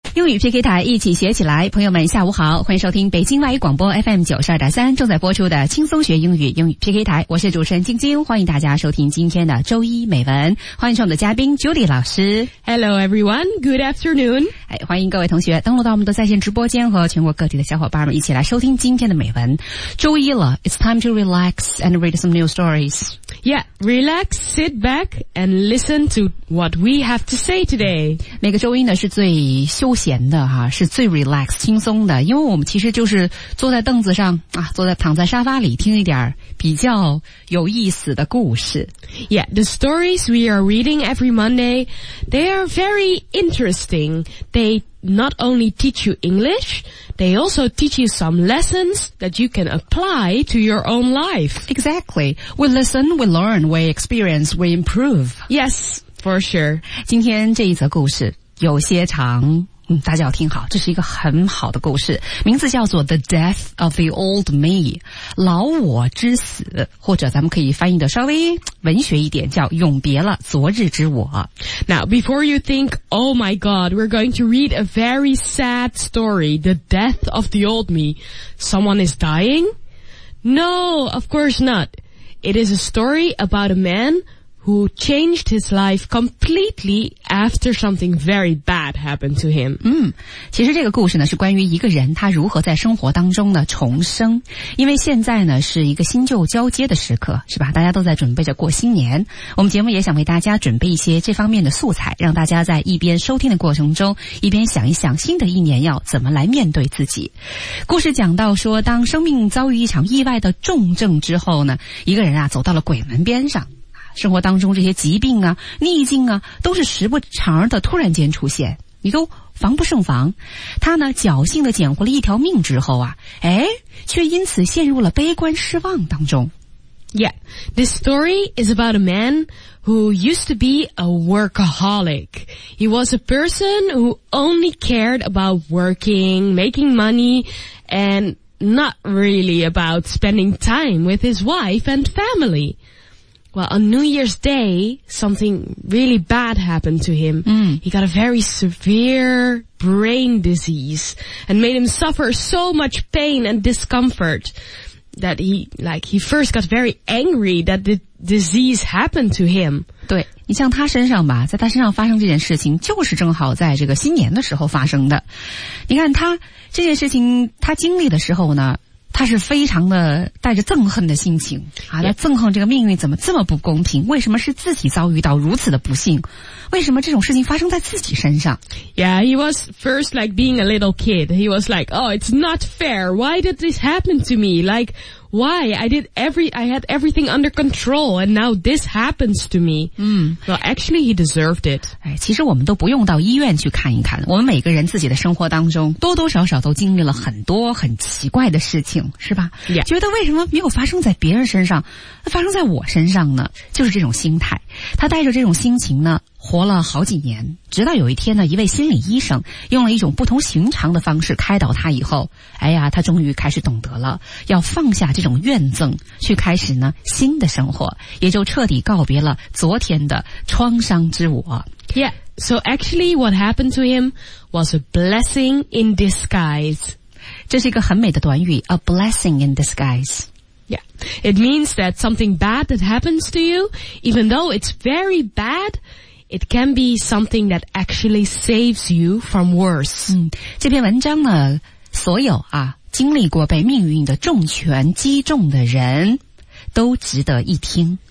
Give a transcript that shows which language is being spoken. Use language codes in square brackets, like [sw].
[zh] 英语 PK 台一起学起来，朋友们下午好，欢迎收听北京外语广播 FM92.3 正在播出的轻松学英语英语 PK 台，我是主持人晶晶，欢迎大家收听今天的周一美文，欢迎上我们的嘉宾 Judy 老师。 [en] Hello everyone, good afternoon. [zh] 欢迎各位同学登录到我们的在线直播间和全国各地的小伙伴们一起来收听今天的美文。周一了 [en] ，It's time to relax and read some new stories. Yeah, relax, sit back and listen to what we have to say today. [zh] 每个周一呢是最休闲的哈，是最 relax 轻松的，因为我们其实就是坐在凳子上啊，躺在沙发里听一点比较有意思的故事。 [en] Yeah, the stories we are reading every Monday, they are very interesting. They not only teach you English, they also teach you some lessons that you can apply to your own life. Exactly. We listen, we learn, we experience, we improve. Yes, for sure. [zh] 今天这一则故事有些长，大家要听好，这是一个很好的故事，名字叫做 [en] The Death of the Old Me, [zh] 老我之死，或者咱们可以翻译的稍微文学一点，叫永别了昨日之我。 [en] Now, before you think, oh my god, we're going to read a very sad story, The Death of the Old Me, someone is dying? No, of course not. It is a story about a man who changed his life completely after something very bad happened to him. [zh] 其实这个故事呢是关于一个人他如何在生活当中呢重生。因为现在呢是一个新旧交接的时刻，是吧，大家都在准备着过新年。我们节目也想为大家准备一些这方面的素材，让大家在一边收听的过程中一边想一想新的一年要怎么来面对自己。故事讲到说，当生命遭遇一场意外的重症之后呢，一个人啊走到了鬼门边上。生活当中这些疾病啊逆境啊都是时不常的突然间出现，你都防不胜防。他呢侥幸的捡回了一条命之后啊，诶，却因此陷入了悲观失望当中。 [en] Yeah, this story is about a man who used to be a workaholic. He was a person who only cared about working, making money, and not really about spending time with his wife and family. Well, on New Year's Day, something really bad happened to him. He got a very severe brain disease and made him suffer so much pain and discomfort that he first got very angry that the disease happened to him. [zh] 对，你像他身上吧，在他身上发生这件事情就是正好在这个新年的时候发生的。你看他这件事情他经历的时候呢，他是非常的带着憎恨的心情啊，他憎恨这个命运怎么这么不公平，为什么是自己遭遇到如此的不幸，为什么这种事情发生在自己身上。 [en] Yeah, he was first like being a little kid. He was like, oh, it's not fair. Why did this happen to me? Like, why? I had everything under control and now this happens to me. Well, actually, he deserved it. [zh] 其实我们都不用到医院去看一看，我们每个人自己的生活当中多多少少都经历了很多很奇怪的事情，是吧？ [en] Yeah. [zh] 觉得为什么没有发生在别人身上，发生在我身上呢？就是这种心态。他带着这种心情呢活了好几年，直到有一天呢，一位心理医生用了一种不同寻常的方式开导他以后，哎呀，他终于开始懂得了要放下这种怨憎，去开始呢新的生活，也就彻底告别了昨天的创伤之我。 [en] Yeah, so actually what happened to him was a blessing in disguise. [zh] 这是一个很美的短语， [en] a blessing in disguise. Yeah, it means that something bad that happens to you, even though it's very bad, it can be something that actually saves you from worse. [zh] 这篇文章呢，所有啊，经历过被命运的重拳击中的人，都值得一听。